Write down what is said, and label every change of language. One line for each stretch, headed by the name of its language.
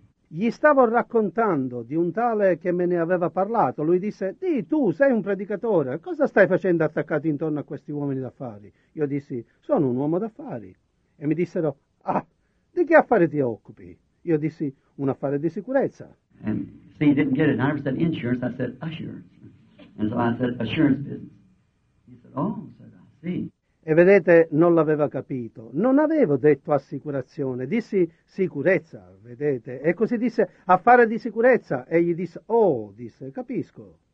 Italian: Gli stavo raccontando di un tale che me ne aveva parlato. Lui disse, di tu, sei un predicatore. Cosa stai facendo attaccato intorno a questi uomini d'affari? Io dissi, sono un uomo d'affari. E mi dissero, ah, di che affare ti occupi? Io dissi, un affare di sicurezza.
English: And so he didn't get it. I never said insurance, I said assurance. And so I said assurance business. He said, oh, I said, I see.
Italian: E vedete, non l'aveva capito. Non avevo detto assicurazione, dissi sicurezza, vedete. E così disse, affare di sicurezza. E gli disse, oh, disse, capisco.